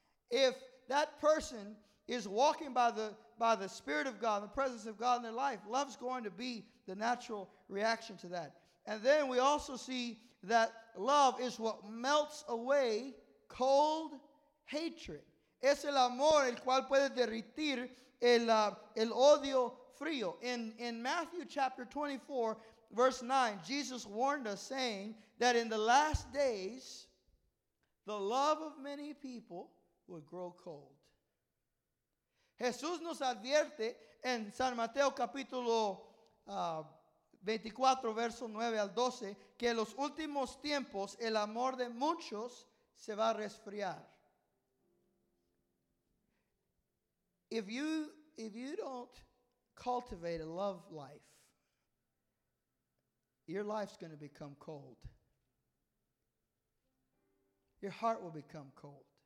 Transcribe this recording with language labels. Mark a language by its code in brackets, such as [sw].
[en] If that person is walking by the Spirit of God, the presence of God in their life, love's going to be the natural reaction to that. And then we also see that love is what melts away cold hatred. [es] Es el amor el cual puede derretir el odio frío. [en] In Matthew chapter 24, verse 9, Jesus warned us, saying that in the last days, the love of many people would grow cold. [es] Jesús nos advierte en San Mateo capítulo 24, verso 9 al 12, que en los últimos tiempos el amor de muchos se va a resfriar. [en] If you don't cultivate a love life, your life's going to become cold. Your heart will become cold.